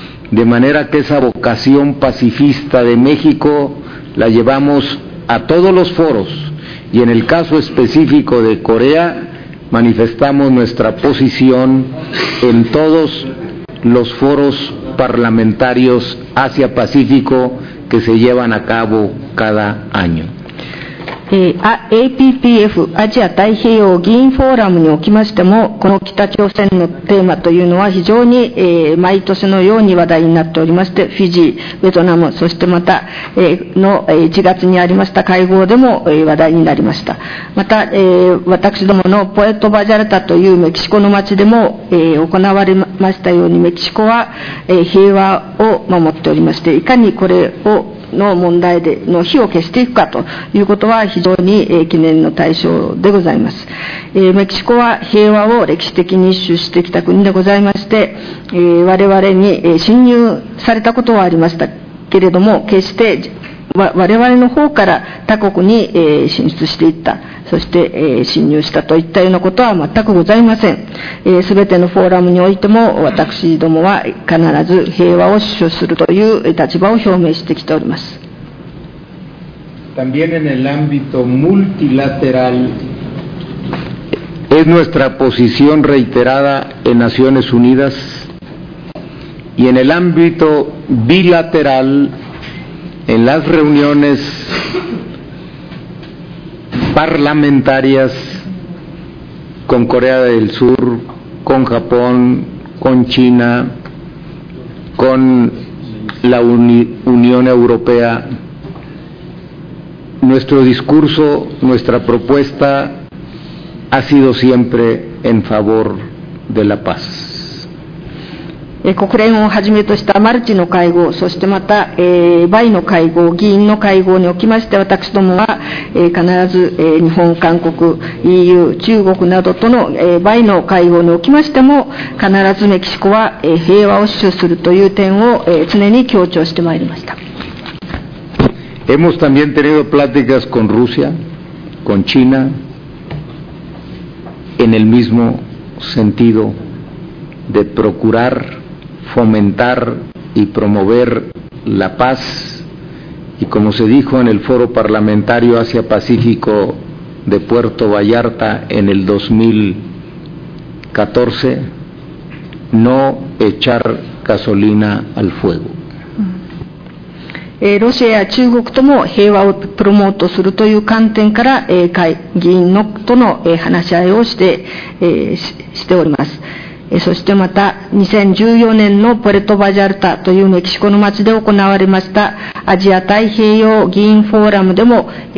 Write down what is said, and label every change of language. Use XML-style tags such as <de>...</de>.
<es>De manera que esa vocación pacifista de México la llevamos a todos los foros. Y en el caso específico de Corea, manifestamos nuestra posición en todos los foros parlamentarios Asia-Pacífico que se llevan a cabo cada año.</es> <ja>APPF アジア太平洋議員フォーラムにおきましても、この北朝鮮のテーマというのは非常に毎年のように話題になっておりまして、フィジ、ベトナム、そしてまた1月にありました会合でも話題になりました。また私どものポエトバジャルタというメキシコの街でも行われましたように、メキシコは平和を守っておりまして、いかにこれをの問題での火を消していくかということは非常に懸念の対象でございます。メキシコは平和を歴史的に一周してきた国でございまして、我々に侵入されたことはありましたけれども、決して我々の方から他国に進出していった、そして侵入したといったようなことは全くございません。すべてのフォーラムにおいても、私どもは必ず平和を主張するという立場を表明してきております。</ja> <es>También en el ámbito multilateral es nuestra posición reiterada en Naciones Unidas y en el ámbito bilateral en las reuniones parlamentarias con Corea del Sur, con Japón, con China, con la Unión Europea. Nuestro discurso, nuestra propuesta ha sido siempre en favor de la paz.</es> <ja>国連をはじめとしたマルチの会合、そしてまた、バイの会合、議員の会合におきまして、私どもは、必ず、日本、韓国、EU、中国などとの、バイの会合におきましても、必ずメキシコは、平和を主張するという点を、常に強調してまいりました。</ja> <es>Hemos también tenido pláticas con Rusia, con China, en el mismo sentido de procurar fomentar y promover la paz, y como se dijo en el foro parlamentario Asia-Pacífico de Puerto Vallarta en el 2014, no echar gasolina al fuego.</es> <ja>ロシアや中国とも平和をプロモートするという観点から、議員のとの、話し合いをして、しております。そしてまた2014年のポレトバジャルタというメキシコの街で行われましたアジア太平洋議員フォーラムでも、</ja>